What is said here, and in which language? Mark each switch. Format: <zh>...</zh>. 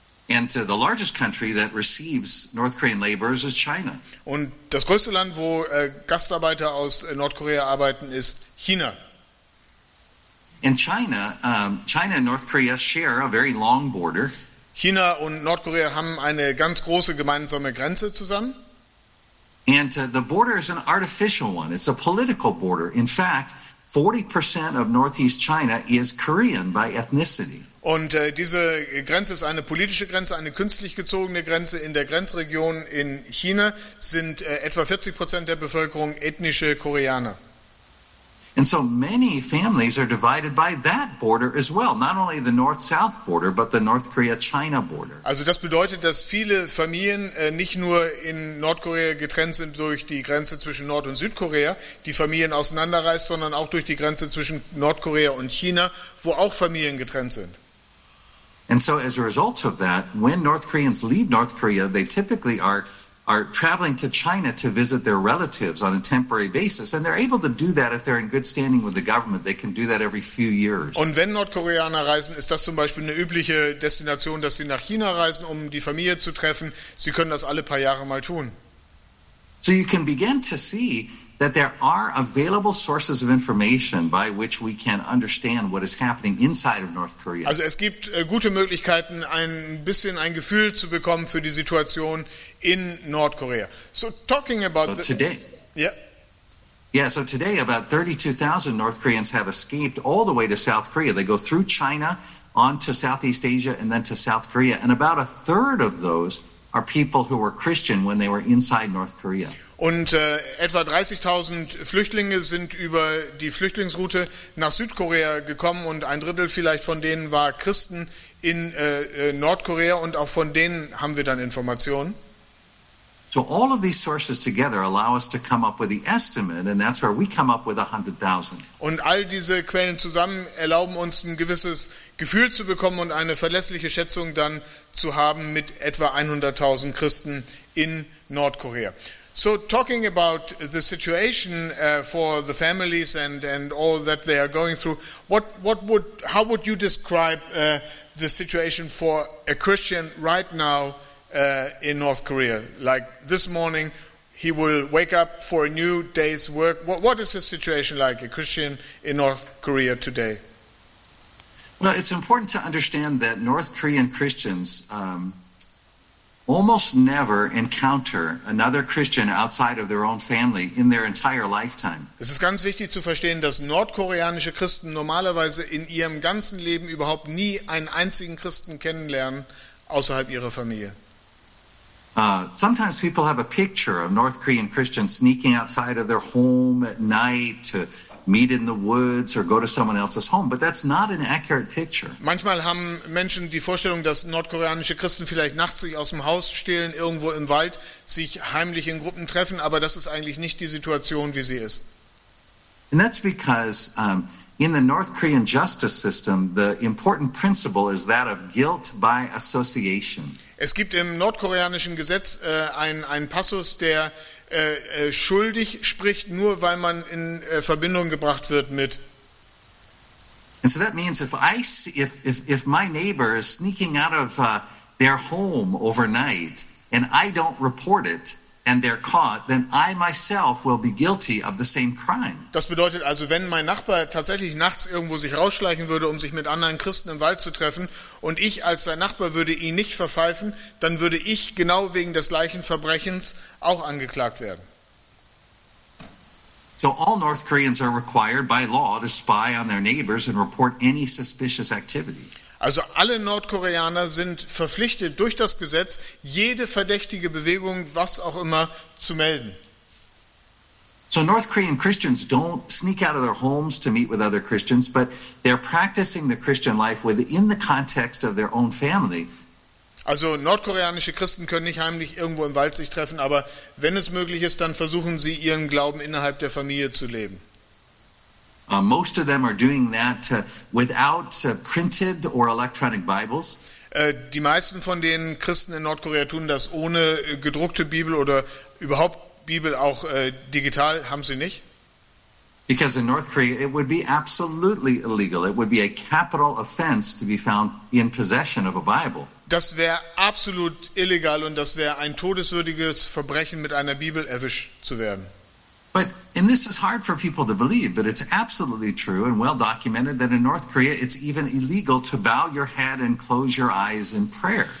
<en>And the largest country that receives North Korean laborers is China.</en> <de>Und das größte Land, wo Gastarbeiter aus Nordkorea arbeiten, ist China.</de> <en>In China, China and North Korea share a very long border.</en> <de>China und Nordkorea haben eine ganz große gemeinsame Grenze zusammen.</de> <en>And the border is an artificial one. It's a political border. In fact, 40% of Northeast China is Korean by ethnicity.</en> <de>Und diese Grenze ist eine politische Grenze, eine künstlich gezogene Grenze. In der Grenzregion in China sind etwa 40% der Bevölkerung ethnische Koreaner.</de> <en>And so many families are divided by that border as well, not only the North-South border, but the North Korea-China border.</en> <de>Also das bedeutet, dass viele Familien nicht nur in Nordkorea getrennt sind durch die Grenze zwischen Nord- und Südkorea, die Familien auseinanderreißt, sondern auch durch die Grenze zwischen Nordkorea und China, wo auch Familien getrennt sind.</de> <en>And so as a result of that, when North Koreans leave North Korea, they typically are traveling to China to visit their relatives on a temporary basis, and they're able to do that if they're in good standing with the government. They can do that every few years.</en> <de>Und wenn Nordkoreaner reisen, ist das zum Beispiel eine übliche Destination, dass sie nach China reisen, um die Familie zu treffen. Sie können das alle paar Jahre mal tun.</de> <en>So you can begin to see that there are available sources of information by which we can understand what is happening inside of North Korea.</en> <de>Also es gibt gute Möglichkeiten, ein bisschen ein Gefühl zu bekommen für die Situation in Nordkorea.</de> <en>So talking about so today. So today about 32,000 North Koreans have escaped all the way to South Korea. They go through China on to Southeast Asia and then to South Korea, and about a third of those are people who were Christian when they were inside North Korea.</en> <de>Und etwa 30.000 Flüchtlinge sind über die Flüchtlingsroute nach Südkorea gekommen und ein Drittel vielleicht von denen war Christen in Nordkorea und auch von denen haben wir dann Informationen.</de> <en>So all of these sources together allow us to come up with the estimate and that's where we come up with 100,000.</en> <de>Und all diese Quellen zusammen erlauben uns ein gewisses Gefühl zu bekommen und eine verlässliche Schätzung dann zu haben mit etwa 100.000 Christen in Nordkorea.</de> <en>So talking about the situation for the families and all that they are going through, how would you describe the situation for a Christian right now in North Korea? Like this morning, he will wake up for a new day's work. What is his situation like, a Christian in North Korea today? Well, it's important to understand that North Korean Christians almost never encounter another Christian outside of their own family in their entire lifetime.</en> <de>Es ist ganz wichtig zu verstehen, dass nordkoreanische Christen normalerweise in ihrem ganzen Leben überhaupt nie einen einzigen Christen kennenlernen außerhalb ihrer Familie.</de> <en>Sometimes people have a picture of North Korean Christians sneaking outside of their home at night to meet in the woods or go to someone else's home, but that's not an accurate picture.</en> <de>Manchmal haben Menschen die Vorstellung, dass nordkoreanische Christen vielleicht nachts sich aus dem Haus stehlen, irgendwo im Wald sich heimlich in Gruppen treffen, aber das ist eigentlich nicht die Situation, wie sie ist.</de> <en>And that's because in the North Korean justice system, the important principle is that of guilt by association.</en> <de>Es gibt im nordkoreanischen Gesetz einen Passus, der schuldig spricht, nur weil man in Verbindung gebracht wird mit.</de> <en>And so that means if my neighbor is sneaking out of their home overnight and I don't report it and they're caught, then I myself will be guilty of the same crime.</en> <de>Das bedeutet also, wenn mein Nachbar tatsächlich nachts irgendwo sich rausschleichen würde, um sich mit anderen Christen im Wald zu treffen, und ich als sein Nachbar würde ihn nicht verpfeifen, dann würde ich genau wegen des gleichen Verbrechens auch angeklagt werden.</de> <en>So all North Koreans are required by law to spy on their neighbors and report any suspicious activity.</en> <de>Also alle Nordkoreaner sind verpflichtet durch das Gesetz, jede verdächtige Bewegung, was auch immer, zu melden.</de> <en>So North Korean Christians don't sneak out of their homes to meet with other Christians, but they're practicing the Christian life within the context of their own family.</en> <de>Also nordkoreanische Christen können nicht heimlich irgendwo im Wald sich treffen, aber wenn es möglich ist, dann versuchen sie, ihren Glauben innerhalb der Familie zu leben.</de> <en>Most of them are doing that without printed or electronic Bibles.</en> <de>Die meisten von den Christen in Nordkorea tun das ohne gedruckte Bibel oder überhaupt Bibel, auch digital haben sie nicht.</de> <en>Because in North Korea it would be absolutely illegal. It would be a capital offense to be found in possession of a Bible.</en> <de>Das wäre absolut illegal und das wäre ein todeswürdiges Verbrechen, mit einer Bibel erwischt zu werden.</de> <en>But and this is hard for people to believe, but it's absolutely true and well documented that in North Korea it's even illegal to bow your head and close your eyes in prayer.</en>